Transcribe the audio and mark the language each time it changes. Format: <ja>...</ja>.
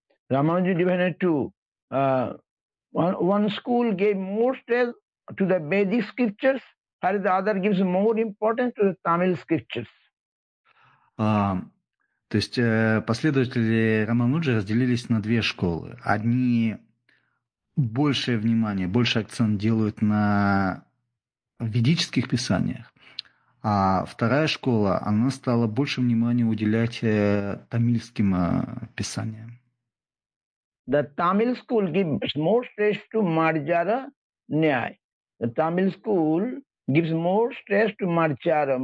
<en>Ramanuja divided to one school gave more stress to the Vedic scriptures, while the other gives more importance to the Tamil scriptures.</en> <ru>То есть последователи Рамануджи разделились на две школы. Одни большее внимание, больше акцент делают на ведических писаниях, а вторая школа, она стала больше внимания уделять тамильским писаниям.</ru> <en>The Tamil school gives more stress to Marjara Nyay. The Tamil school gives more stress to Marjara.</en>